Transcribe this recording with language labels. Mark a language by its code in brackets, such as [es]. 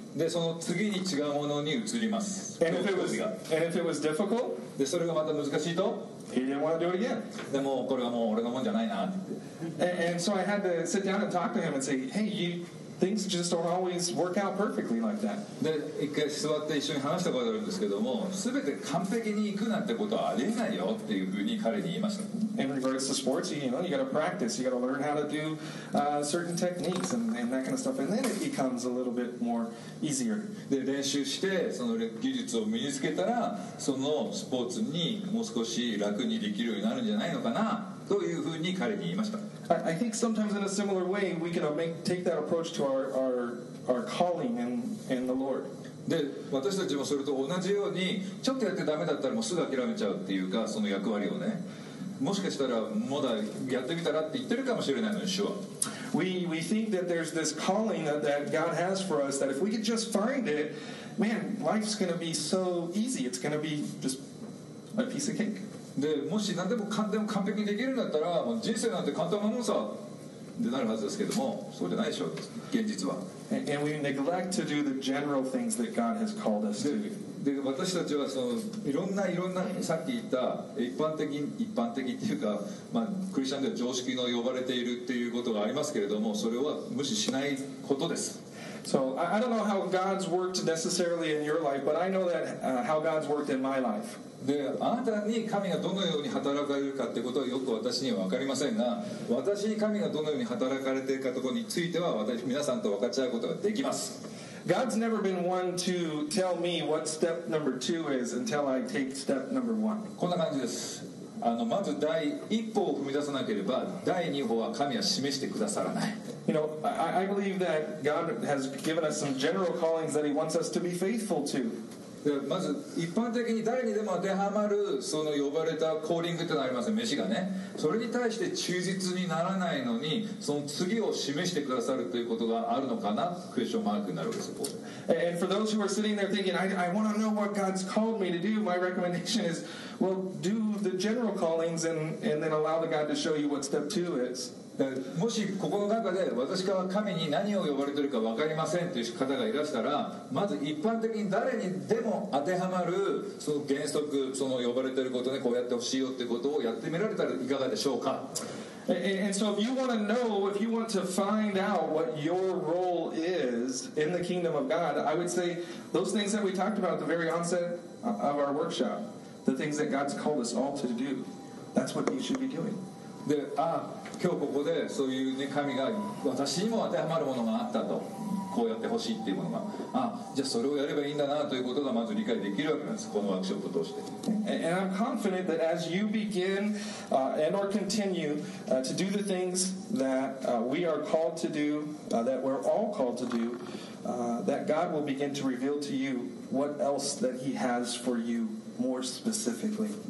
[ja] で、その次に違うものに移ります。 [en] And if it was, difficult, [ja] で、それがまた難しいと、 [en] he didn't want to do it again. [ja] でもこれはもう俺のもんじゃないなって。 [en] And so I had to sit down and talk to him and say, hey, you... Things just don't always work out perfectly like that. [ja] で、一回座って一緒に話したことあるんですけども、すべて完璧に行くなんてことはありえないよっていうふうに彼に言いました。 [en] In regards to sports, you know, you got to practice, you got to learn how to do certain techniques and that kind of stuff, and then it becomes a little bit more easier. [ja] で、練習してその技術を身につけたら、そのスポーツにもう少し楽にできるようになるんじゃないのかなというふうに彼に言いました。 [en] I think sometimes in a similar way we can take that approach to our calling and the Lord. [ja] で、私たちもそれと同じようにちょっとやってダメだったらもうすぐ諦めちゃうっていうかその役割をね。もしかしたらまだやってみたらって言ってるかもしれないのに、主は。 [en] We think that there's this calling that God has for us that if we could just find it, man, life's going to be so easy. It's going to be just a piece of cake. [ja] でもし何でも完全完璧にできるんだったらもう人生なんて簡単なもんさってなるはずですけどもそうじゃないでしょう現実は [en] and we neglect to do the general things that God has called us to [ja] で私たちはそのいろんなさっき言った一般的っていうか、まあ、クリスチャンでは常識の呼ばれているっていうことがありますけれどもそれは無視しないことです [en] So I don't know how God's worked necessarily in your life, but I know that how God's worked in my life. [ja] で、あなたに神がどのように働かれるかってことはよく私には分かりませんが、私に神がどのように働かれているかところについては私皆さんと分かち合うことができます。 [en] God's never been one to tell me what step number two is until I take step number one. [ja] こんな感じです。あの、まず第一歩を踏み出さなければ、第二歩は神は示してくださらない。 [en] You know, I believe that God has given us some general callings that He wants us to be faithful to. [ja] まず一般的に誰にでも当てはまるその呼ばれたコーリングってのがありますね、飯がね。それに対して忠実にならないのに、その次を示してくださるということがあるのかな、クエスチョンマークになるわけです。 [en] And for those who are sitting there thinking, I want to know what God's called me to do, my recommendation is, well, do the general callings and then allow the God to show you what step two is. [ja] もしここの中で私が神に何を呼ばれているか分かりませんという方がいらしたらまず一般的に誰にでも当てはまるその原則その呼ばれていることねこうやってほしいよということをやってみられたらいかがでしょうか [en] And so if you want to know if you want to find out what your role is in the kingdom of God I would say those things that we talked about at the very onset of our workshop the things that God's called us all to do that's what you should be doing [ja] で、あ、今日ここでそういう、ね、神が私にも当てはまるものがあったとこうやってほしいっていうものがあ、じゃあそれをやればいいんだなということがまず理解できるわけなんですこのワークショップを通して [en] And I'm confident that as you begin and or continue to do the things that we are called to do that we're all called to do that God will begin to reveal to you what else that he has for youMore specifically.